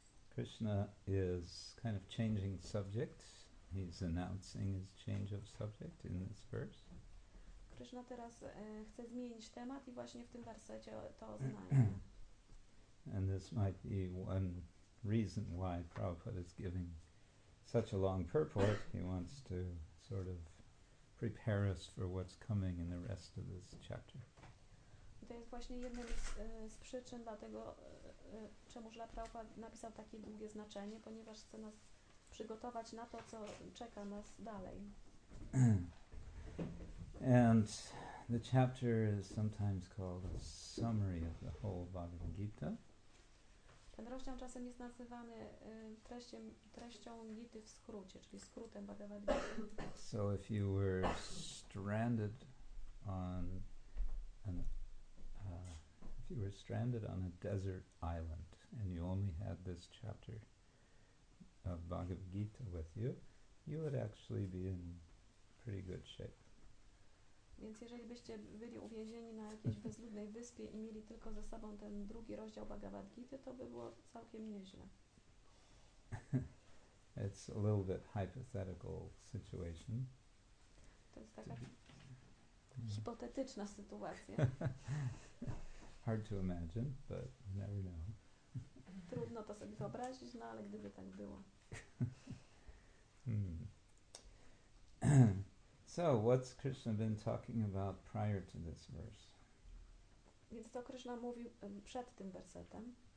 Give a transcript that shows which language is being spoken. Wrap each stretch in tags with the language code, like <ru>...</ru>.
<en>Krishna is kind of changing subject. He's announcing his change of subject in this verse.</en> <pl>Krishna teraz chce zmienić temat i właśnie w tym wersecie to oznaje.</pl> <en>And this might be one reason why Prabhupada is giving such a long purport. He wants to sort of prepare us for what's coming in the rest of this chapter.</en> <pl>I to jest właśnie jedna z przyczyn dlatego, czemu Prabhupada napisał takie długie znaczenie, ponieważ chce nas przygotować na to, co czeka nas dalej.</pl> <en>And the chapter is sometimes called a summary of the whole Bhagavad Gita.</en> <pl>Ten rozdział czasem jest nazywany treścią Gity w skrócie, czyli skrótem Bhagavad Gita.</pl> <en>So if you were stranded on an if you were stranded on a desert island and you only had this chapter of Bhagavad Gita with you, you would actually be in pretty good shape.</en> <pl>Więc jeżeli byście byli uwięzieni na jakiejś bezludnej wyspie i mieli tylko ze sobą ten drugi rozdział Bhagavad Gita, to by było całkiem nieźle.</pl> <en>It's a little bit hypothetical situation.</en> <pl>To jest taka hipotetyczna sytuacja.</pl> <en>Hard to imagine, but never know.</en> <pl>Trudno to sobie wyobrazić, no ale gdyby tak było.</pl> <en>So what's Krishna been talking about prior to this verse?</en> <pl>Więc to Krishna mówił przed tym wersetem.</pl>